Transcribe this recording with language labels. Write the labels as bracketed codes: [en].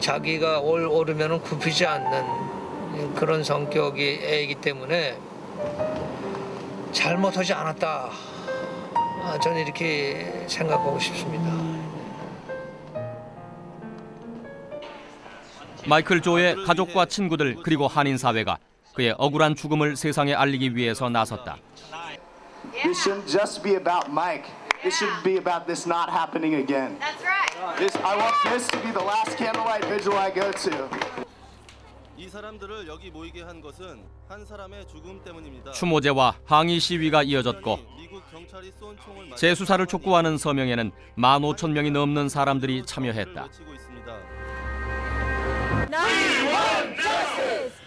[ko] 자기가 오르면 굽히지 않는 그런 성격이 애이기 때문에 잘못하지 않았다. 저는 이렇게 생각하고 싶습니다. 마이클 조의 가족과 친구들 그리고 한인 사회가 그의 억울한 죽음을 세상에 알리기 위해서 나섰다. [en] This shouldn't just be about Mike. This should be about this not happening again. That's right. This, I want this to be the last candlelight vigil I go to. [ko] 이 사람들을 여기 모이게 한 것은 한 사람의 죽음 때문입니다. 추모제와 항의 시위가 이어졌고 재수사를 촉구하는 서명에는 15,000명이 넘는 사람들이 참여했다. [en] We want justice.